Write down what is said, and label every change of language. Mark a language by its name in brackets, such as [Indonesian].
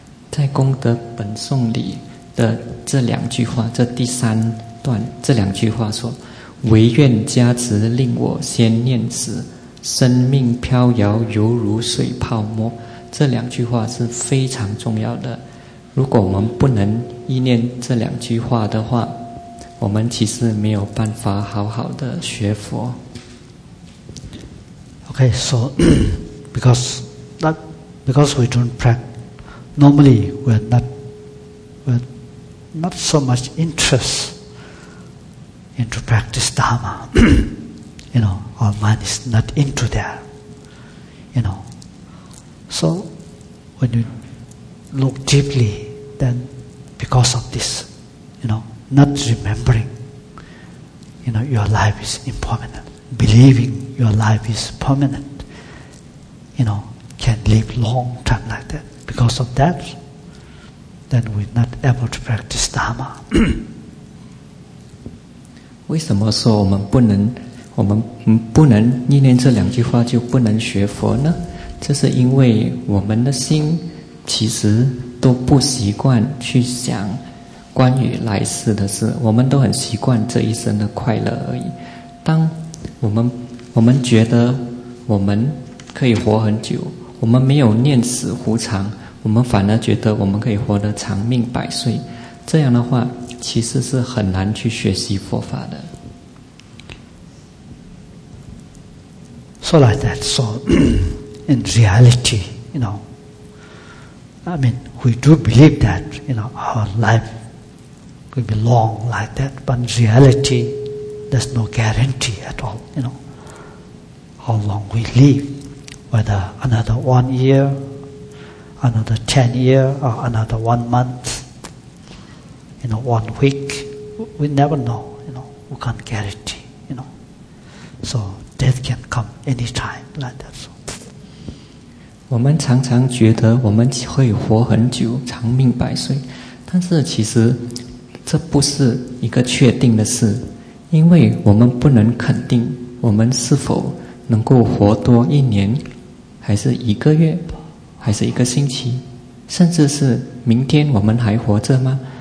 [Chinese] 在功德本颂里的这两句话，这第三段，这两句话说唯愿加持令我先念时，生命飘摇犹如水泡沫。这两句话是非常重要的。如果我们不能意念这两句话的话，我们其实没有办法好好的学佛。 [English] Okay, so because we don't practice, normally we're not so much interest. Into practice Dharma, you know, our mind is not into there, you know, So when you look deeply, then because of this, you know, not remembering, you know, your life is impermanent. Believing your life is permanent, you know, can live long time like that. Because of that, then we're not able to practice Dharma. [Chinese] 为什么说我们不能念念这两句话就不能学佛呢？这是因为我们的心其实都不习惯去想关于来世的事，我们都很习惯这一生的快乐而已。当我们觉得我们可以活很久，我们没有念死无常，我们反而觉得我们可以活得长命百岁，这样的话其实是很难去学习佛法的。 [English] So like that, so in reality, you know, I mean, we do believe that, you know, our life will be long like that, but in reality, there's no guarantee at all, you know, how long we live, whether another 1 year, another 10 years, or another 1 month, you know, 1 week, we never know, you know, we can't guarantee, you know. So,Death can come anytime, like that. [Chinese] 我们常常觉得我们会活很久，长命百岁，但是其实这不是一个确定的事，因为我们不能肯定我们是否能够活多一年，还是一个月，还是一个星期，甚至是明天我们还活着吗？